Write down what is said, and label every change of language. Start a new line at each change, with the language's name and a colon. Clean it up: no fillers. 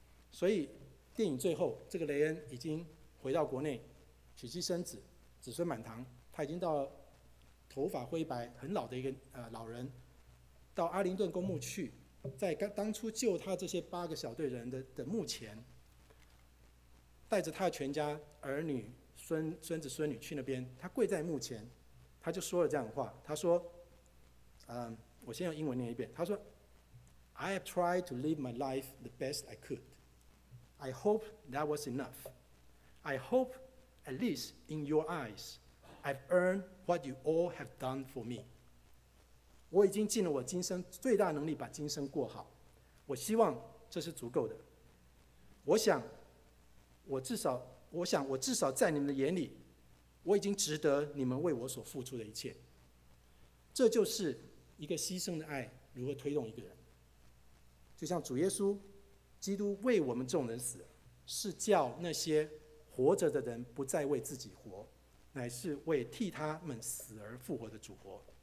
Chinese: 所以电影最后，这个雷恩已经回到国内，娶妻生子，子孙满堂，他已经到头发灰白很老的一个老人，到阿灵顿公墓去，在当初救他这些八个小队人的墓前，带着他的全家儿女孙子孙女去那边，他跪在墓前，他就说了这样的话。他说我先用英文念一遍。
English: 他说 I have tried to live my life the best I could. I hope that was enough. I hope at least in your eyes I've earned what you all have done for me.
Chinese: 我已经尽了我今生最大能力把今生过好，我希望这是足够的。我想我至少在你们的眼里我已经值得你们为我所付出的一切。这就是一个牺牲的爱如何推动一个人。就像主耶稣基督为我们众人死，是叫那些活着的人不再为自己活，乃是为替他们死而复活的主活。